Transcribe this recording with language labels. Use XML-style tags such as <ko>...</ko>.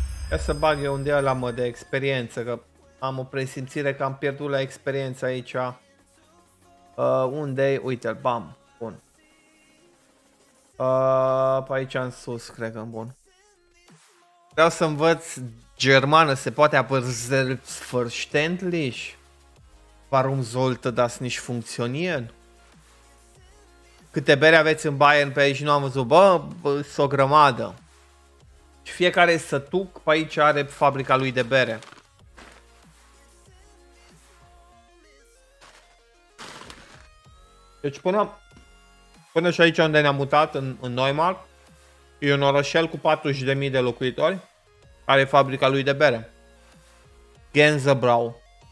<ro>Ia să bag eu unde ăla, mă, de experiență, că am o presimțire că am pierdut la experiență aici. Unde-i? Uite-l, bam, bun. Pe aici în sus, cred că, bun. Vreau să învăț germană, se poate apăr</ro> <de>selbstverständlich? Warum sollte das nicht funktionieren?</de> <ro>Câte bere aveți în Bayern pe aici, nu am văzut, bă, s-o grămadă. Și fiecare sătuc pe aici are fabrica lui de bere. Deci până și aici unde ne-am mutat, în Neumarkt, e un orășel cu 40.000 de locuitori, are fabrica lui de bere. Gänsebrau.</ro>